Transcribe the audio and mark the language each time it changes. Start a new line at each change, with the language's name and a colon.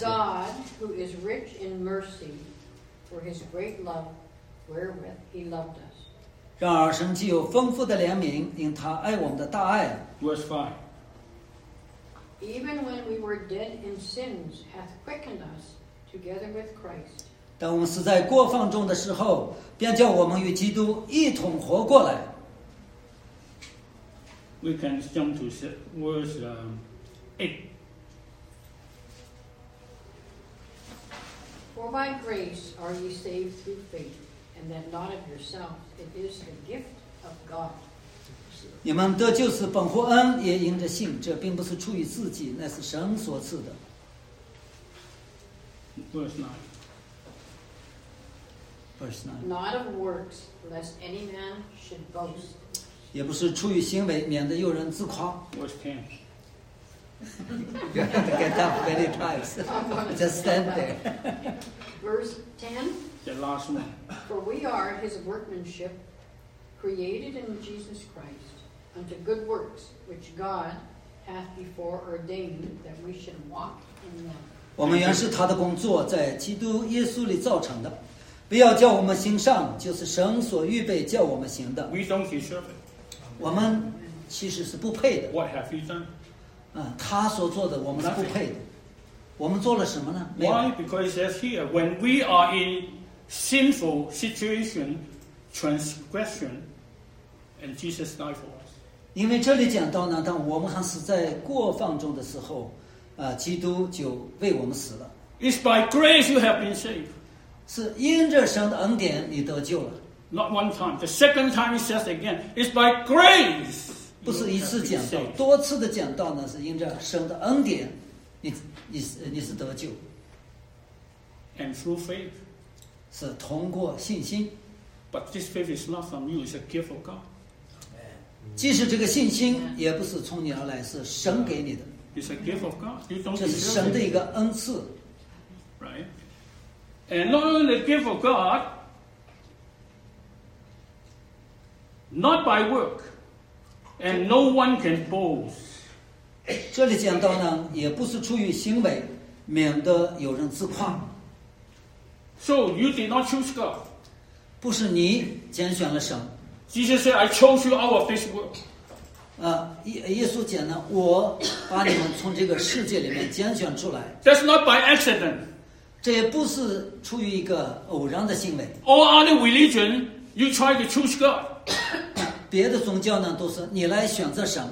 English: God, who is rich in mercy, for his great love wherewith he loved us.
Chinese: 然而神既有丰富的怜悯，因他爱我们的大爱。
English: Verse 5. Even when we were dead in sins, hath quickened us together with Christ.
Chinese: 当我们死在过犯中的时候，便叫我们与基督一同活过来。
English: We can jump to verse 8. For by grace are ye saved through faith, and that not of yourselves; it is the gift of God.
Chinese: 你们得救是本乎恩，也因着信。这并不是出于自己，乃是神所赐的。
English: Verse 9. Not of works, lest any man should boast.
Chinese: 也不是出于行为，免得有人自夸。
English: Verse 10. You have to get up many times. Just stand there. Verse 10. The last one. For we are his workmanship, created in Jesus Christ, unto good works, which God hath before ordained that we should walk in them.
Chinese: 我们原是他的工作，在基督耶稣里造成的，不要叫我们行善，就是神所预备叫我们行的。
English: We don't deserve it.
Chinese: 我们其实是不配的。
English: What have you done？
Chinese: 他所做的我们是不配的。
English: Nothing.
Chinese: 我们做了什么呢
English: ？Why? Because it says here, when we are in sinful situation, transgression, and Jesus died for us.
Chinese: 因为这里讲到呢，当我们还死在过犯中的时候，基督就为我们死了。
English: It's by grace you have been saved.
Chinese: 是因着神的恩典你得救了。
English: Not one time. The second time he says again, it's by grace.
Chinese: 不是一次讲道，多次的讲道呢，是因着神的恩典，你是得救。
English: And through faith.
Chinese: 是通过信心。
English: But this faith is not from you. It's a gift of God.
Chinese: 即使这个信心也不是从你而来，是神给你的。
English: It's a gift of God. You don't deserve it.
Chinese: 这是神的一个恩赐。
English: Right. And not only the gift of God, not by work, and no one can boast.
Chinese: 这里讲到呢，也不是出于行为，免得有人自夸。
English: So you did not choose God.
Chinese: 不是你拣选了神。
English: Jesus said, "I chose you out of this world."
Chinese: 耶稣讲呢，我把你们从这个世界里面拣选出来。
English: That's not by accident.
Chinese: 这也不是出于一个偶然的行为。
English: All other religion, you try to choose God.
Chinese: 别的宗教呢，都是你来选择神。